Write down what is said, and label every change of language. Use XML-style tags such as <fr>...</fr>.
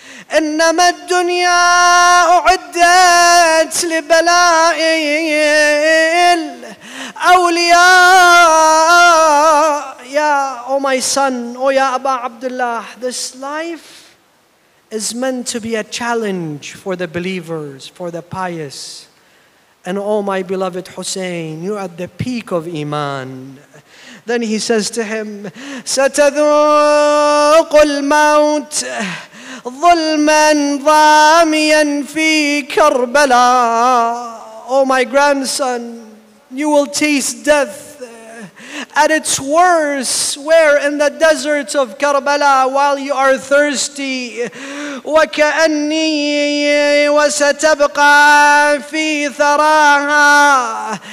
<ar>Innama ad-dunya u'iddat li-bala'il awliya.</ar> <en>Ya, oh my son, oh ya Aba Abdullah, this life is meant to be a challenge for the believers, for the pious. and oh my beloved Hussein, you're at the peak of Iman. Then he says to him,</en> <ar>سَتَذُوقُ الْمَوْتِ ظُلْمًا ضَامِيًا فِي كَرْبَلَىٰ.</ar> <en>Oh my grandson, you will taste death at its worst, where in the deserts of Karbala, while you are thirsty.</en> <ar>وَكَأَنِّي وَسَتَبْقَى فِي ثَرَاهَا.</ar>